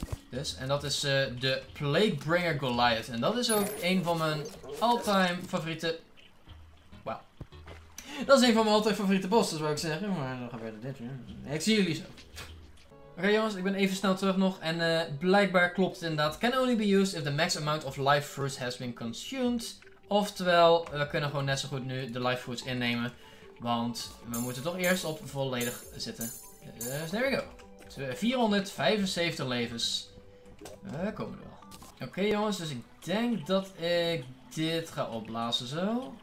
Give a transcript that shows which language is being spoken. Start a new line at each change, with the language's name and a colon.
Dutch: Dus, en dat is de Plaguebringer Goliath. En dat is ook een van mijn all-time favoriete... Wauw. Dat is een van mijn altijd favoriete bossen, zou ik zeggen. Maar dan gebeurt er dit weer. Ik zie jullie zo. Oké, jongens, ik ben even snel terug nog. En blijkbaar klopt het inderdaad.
English: Can only be used if the max amount of life fruits has been consumed.
Dutch: Oftewel, we kunnen gewoon net zo goed nu de life fruits innemen. Want we moeten toch eerst op volledig zitten. Dus
English: there we go.
Dutch: 475 levens. We komen er wel. Oké, jongens, dus ik denk dat ik dit ga opblazen zo.